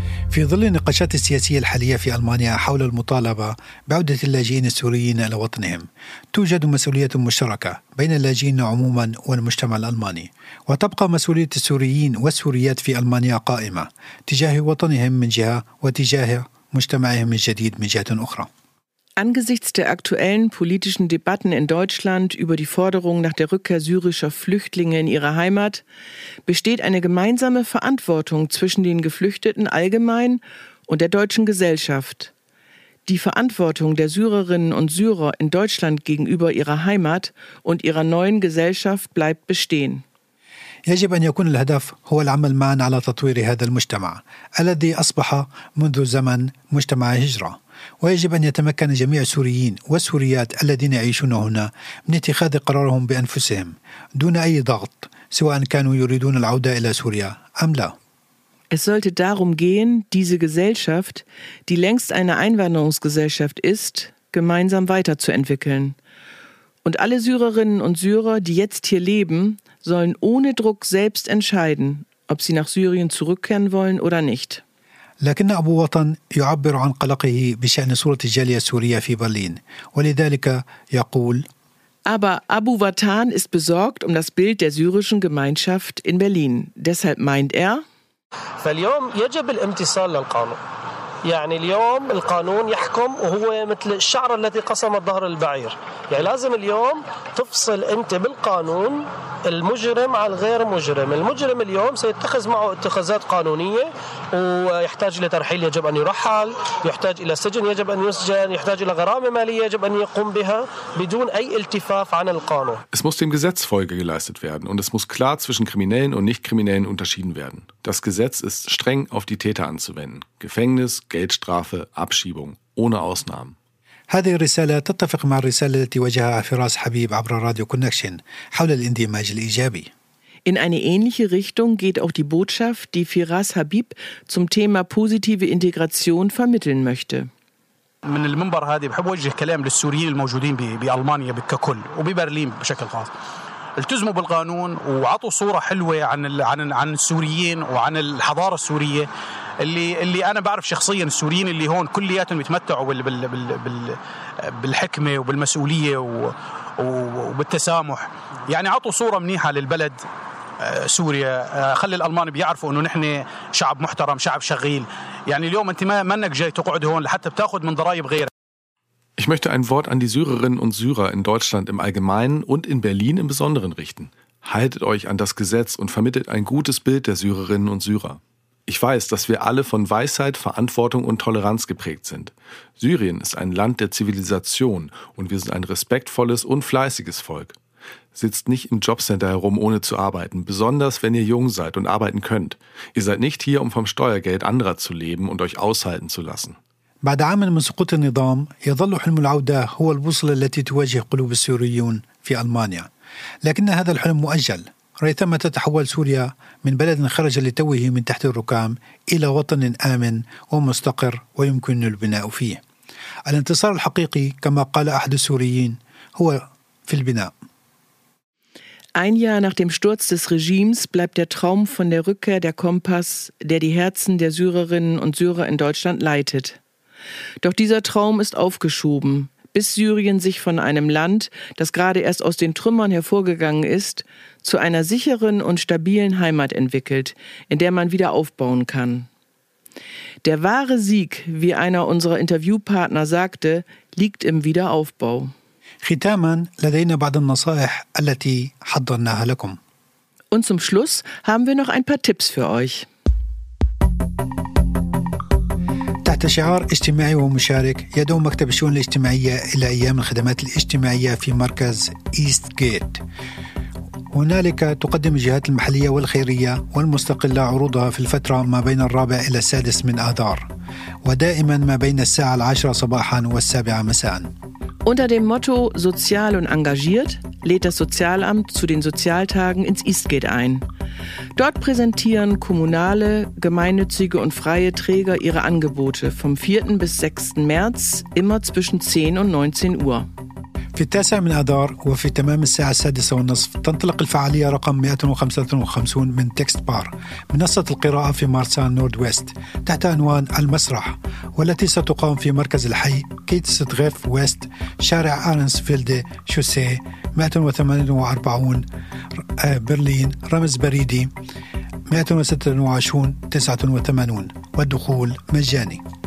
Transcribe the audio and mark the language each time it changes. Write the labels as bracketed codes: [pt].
[ar] في ظل النقاشات السياسية الحالية في ألمانيا حول المطالبة بعودة اللاجئين السوريين إلى وطنهم، توجد مسؤولية مشتركة بين اللاجئين عموما والمجتمع الألماني، وتبقى مسؤولية السوريين والسوريات في ألمانيا قائمة تجاه وطنهم من جهة وتجاه مجتمعهم الجديد من جهة أخرى. [de] Angesichts der aktuellen politischen Debatten in Deutschland über die Forderung nach der Rückkehr syrischer Flüchtlinge in ihre Heimat besteht eine gemeinsame Verantwortung zwischen den Geflüchteten allgemein und der deutschen Gesellschaft. Die Verantwortung der Syrerinnen und Syrer in Deutschland gegenüber ihrer Heimat und ihrer neuen Gesellschaft bleibt bestehen. [ar] يجب أن يكون الهدف هو العمل معا على تطوير هذا المجتمع الذي أصبح منذ زمن مجتمع هجرة، ويجب أن يتمكن جميع السوريين والسوريات الذين يعيشون هنا من اتخاذ قرارهم بأنفسهم دون أي ضغط، سواء كانوا يريدون العودة إلى سوريا أم لا. [de] Es sollte darum gehen, diese Gesellschaft, die längst eine Einwanderungsgesellschaft ist, gemeinsam weiterzuentwickeln. Und alle Syrerinnen und Syrer, die jetzt hier leben, sollen ohne Druck selbst entscheiden, ob sie nach Syrien zurückkehren wollen oder nicht. [ar] لكن أبو وطن يعبر عن قلقه بشأن صورة الجالية السورية في برلين، ولذلك يقول: [de] Aber Abu Watan ist besorgt um das Bild der syrischen Gemeinschaft in Berlin. Deshalb meint er: [ar] فاليوم يجب الامتثال للقانون. يعني اليوم القانون يحكم وهو مثل الشعر الذي قسم ظهر البعير. يعني لازم اليوم تفصل أنت بالقانون المجرم على الغير مجرم. المجرم اليوم سيتخذ معه اتخاذات قانونية ويحتاج إلى ترحيل يجب أن يرحل، يحتاج إلى سجن يجب أن يسجن، يحتاج إلى غرامة مالية يجب أن يقوم بها بدون أي التفاف عن القانون. [de] Es muss dem Gesetz Folge geleistet werden und es muss klar zwischen Kriminellen und Nichtkriminellen unterschieden werden. Das Gesetz ist streng auf die Täter anzuwenden. Gefängnis, Geldstrafe, Abschiebung, ohne Ausnahmen. [ar] هذه الرسالة تتفق مع الرسالة التي وجهها فراس حبيب عبر راديو كونكشن حول الاندماج الإيجابي. [de] In eine ähnliche Richtung geht auch die Botschaft, die Firas Habib zum Thema positive Integration vermitteln möchte. [ar] من المنبر هذه بحب أوجه كلام للسوريين الموجودين بألمانيا ككل وببرلين بشكل خاص. التزموا بالقانون وعطوا صورة حلوة عن ال عن عن السوريين وعن الحضارة السورية اللي أنا بعرف شخصيا السوريين اللي هون كلياتهم بيتمتعوا بال بال بال بال بالحكمة وبالمسؤولية وبالتسامح. يعني عطوا صورة منيحة للبلد سوريا، خلي الألمان بيعرفوا إنه نحن شعب محترم، شعب شغيل. يعني اليوم أنت ما إنك جاي تقعد هون لحتى بتأخذ من ضرائب غيرك. [de] Ich möchte ein Wort an die Syrerinnen und Syrer in Deutschland im Allgemeinen und in Berlin im Besonderen richten. Haltet euch an das Gesetz und vermittelt ein gutes Bild der Syrerinnen und Syrer. Ich weiß, dass wir alle von Weisheit, Verantwortung und Toleranz geprägt sind. Syrien ist ein Land der Zivilisation und wir sind ein respektvolles und fleißiges Volk. Sitzt nicht im Jobcenter herum, ohne zu arbeiten, besonders wenn ihr jung seid und arbeiten könnt. Ihr seid nicht hier, um vom Steuergeld anderer zu leben und euch aushalten zu lassen. [ar] بعد عام من سقوط النظام يظل حلم العودة هو البوصلة التي تواجه قلوب السوريون في ألمانيا، لكن هذا الحلم مؤجل ريثما تتحول سوريا من بلد خرج لتوه من تحت الركام إلى وطن آمن ومستقر ويمكن البناء فيه. الانتصار الحقيقي كما قال أحد السوريين هو في البناء. [de] Ein Jahr nach dem Sturz des Regimes bleibt der Traum von der Rückkehr der Kompass, der die Herzen der Syrerinnen und Syrer in Deutschland leitet. Doch dieser Traum ist aufgeschoben, bis Syrien sich von einem Land, das gerade erst aus den Trümmern hervorgegangen ist, zu einer sicheren und stabilen Heimat entwickelt, in der man wieder aufbauen kann. Der wahre Sieg, wie einer unserer Interviewpartner sagte, liegt im Wiederaufbau. [ar] Khitaman, ladayna ba'd an-nasa'ih allati haddarnaha lakum. [de] Und zum Schluss haben wir noch ein paar Tipps für euch. [ar] تحت شعار اجتماعي ومشارك يدعو مكتب الشؤون الاجتماعية إلى أيام الخدمات الاجتماعية في مركز إيست جيت. هنالك تقدم الجهات المحلية والخيرية والمستقلة عروضها في الفترة ما بين الرابع إلى السادس من آذار ودائما ما بين الساعة 10 صباحا والسابعة مساء. [de] Unter dem Motto sozial und engagiert lädt das Sozialamt zu den Sozialtagen ins Eastgate ein. Dort präsentieren kommunale, gemeinnützige und freie Träger ihre Angebote vom 4. bis 6. März immer zwischen 10 und 19 Uhr. [ar] في التاسع من آذار وفي تمام الساعة السادسة والنصف تنطلق الفعالية رقم 155 من تكست بار منصة القراءة في مارسان نورد ويست تحت عنوان المسرح والتي ستقام في مركز الحي كيتستغيف ويست شارع أرنسفيلد شوسي 148 برلين رمز بريدي 126-89 والدخول مجاني.